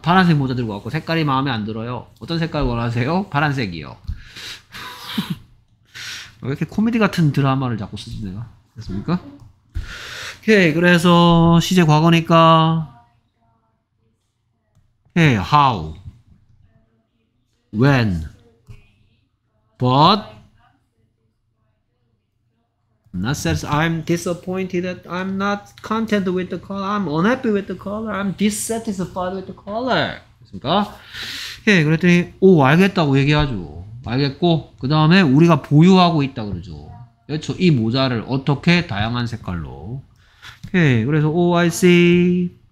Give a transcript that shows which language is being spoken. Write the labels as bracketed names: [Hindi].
[Korean] 파란색 모자 들고 왔고 색깔이 마음에 안 들어요. 어떤 색깔 원하세요? 파란색이요. 왜 이렇게 코미디 같은 드라마를 자꾸 쓰지 내가? 됐습니까? 오케이. 그래서 시제 과거니까 오케이. [English] How, when, but not says I'm disappointed that I'm not content with the color. I'm unhappy with the color. I'm dissatisfied with the color. [Korean] 됐습니까? 예, 그랬더니 오 알겠다고 얘기하죠. 알겠고 그 다음에 우리가 보유하고 있다 그러죠. 그렇죠. 이 모자를 어떻게 다양한 색깔로. 예, 그래서 오 [English] I see.